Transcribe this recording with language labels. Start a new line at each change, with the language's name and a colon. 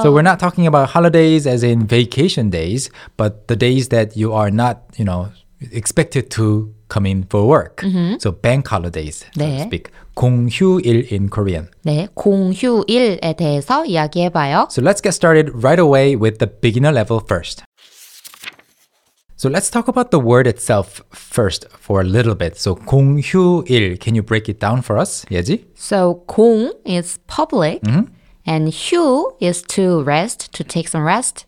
English: So we're not talking about holidays as in vacation days, but the days that you are not, you know, expected to come in for work. Mm-hmm. So bank holidays,
Korean: 네.
English: so to speak. 공휴일 in Korean.
Korean: 네, 공휴일에 대해서 이야기해봐요.
English: So let's get started right away with the beginner level first. So let's talk about the word itself first for a little bit. So 공휴일, can you break it down for us, 예지? So 공 is public, mm-hmm. and 휴 is to rest, to take some rest,